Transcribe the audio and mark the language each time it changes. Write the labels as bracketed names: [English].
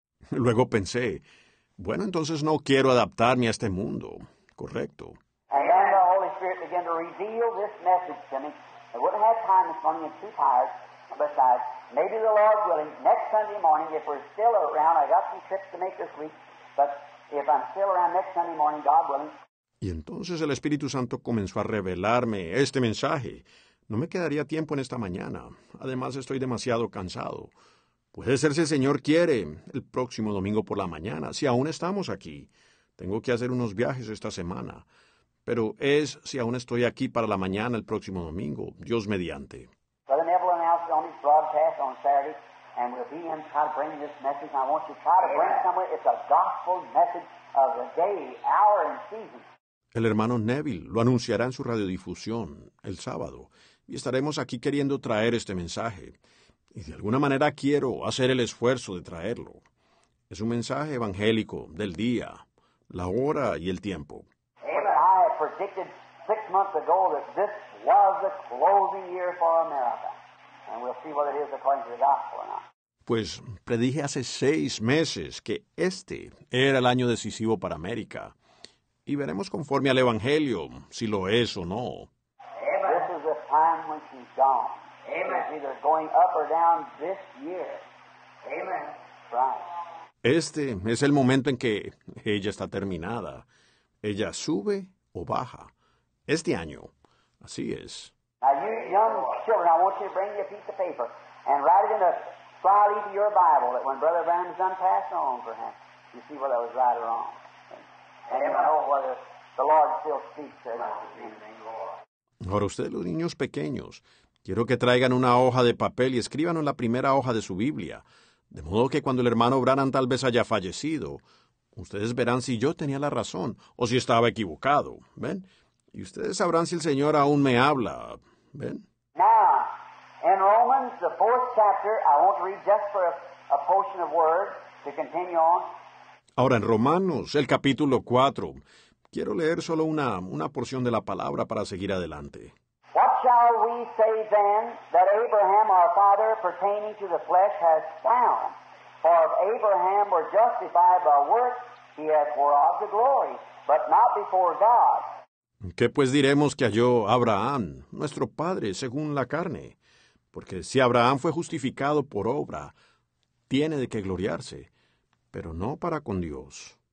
[Spanish] Luego pensé, bueno, entonces no quiero adaptarme a este mundo. Correcto. [English] And then the Holy Spirit began to reveal this message to me. I wouldn't have time this morning, I'm too tired. Besides, maybe the Lord willing, next Sunday morning, if we're still around, I got some trips to make this week, but if I'm still around next Sunday morning, God willing. [Spanish] Y entonces el Espíritu Santo comenzó a revelarme este mensaje. No me quedaría tiempo en esta mañana. Además, estoy demasiado cansado. Puede ser si el Señor quiere, el próximo domingo por la mañana, si aún estamos aquí. Tengo que hacer unos viajes esta semana. Pero es si aún estoy aquí para la mañana, el próximo domingo, Dios mediante. [English] On his broadcast on Saturday, and we'll be in try to bring this message. I want you to try to bring somewhere. It's a gospel message of the day, hour, and season. [Spanish] El hermano Neville lo anunciará en su radiodifusión el sábado, y estaremos aquí queriendo traer este mensaje. Y de alguna manera quiero hacer el esfuerzo de traerlo. Es un mensaje evangélico del día, la hora y el tiempo. [English] Amen. I had predicted 6 months ago that this was the closing year for America. And we'll see whether it is according to the gospel or not. [Spanish] Pues predije hace 6 meses que este era el año decisivo para América. Y veremos conforme al Evangelio si lo es o no. [English] Amen. This is the time when she's gone. Amen. She's either going up or down this year. Amen. Right. [Spanish] Este es el momento en que ella está terminada. Ella sube o baja. Este año. Así es. [English] Now you young children, I want you to bring me a piece of paper and write it in a flyleaf of your Bible that when Brother Branham's done passed on for him, you see whether I was right or wrong. And you know whether the Lord still speaks or not. [Spanish] Ahora ustedes, los niños pequeños, quiero que traigan una hoja de papel y escríbanlo en la primera hoja de su Biblia, de modo que cuando el hermano Branham tal vez haya fallecido, ustedes verán si yo tenía la razón o si estaba equivocado. ¿Ven? Y ustedes sabrán si el Señor aún me habla. ¿Ven? [English] Now, in Romans, the 4th chapter, I want to read just for a portion of word to continue on. [Spanish] Ahora, en Romanos, el capítulo 4, quiero leer solo una porción de la palabra para seguir adelante. [English] What shall we say then that Abraham, our father, pertaining to the flesh, has found? For if Abraham were justified by works, he has wrought the glory, but not before God. [Spanish] ¿Qué pues diremos que halló Abraham, nuestro padre, según la carne? Porque si Abraham fue justificado por obra, tiene de qué gloriarse, pero no para con Dios.